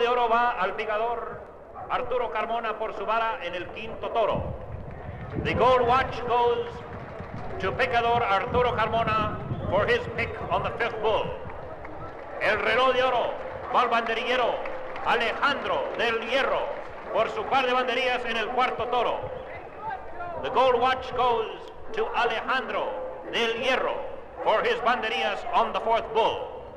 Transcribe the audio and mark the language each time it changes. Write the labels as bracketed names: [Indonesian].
[Spanish] Va al picador Arturo Carmona por su vara en el quinto toro. [English] The gold watch goes to picador Arturo Carmona for his pick on the fifth bull. [Spanish] El reloj de oro va al banderillero Alejandro del Hierro por su par de banderillas en el cuarto toro. [English] The gold watch goes to Alejandro del Hierro for his banderillas on the fourth bull.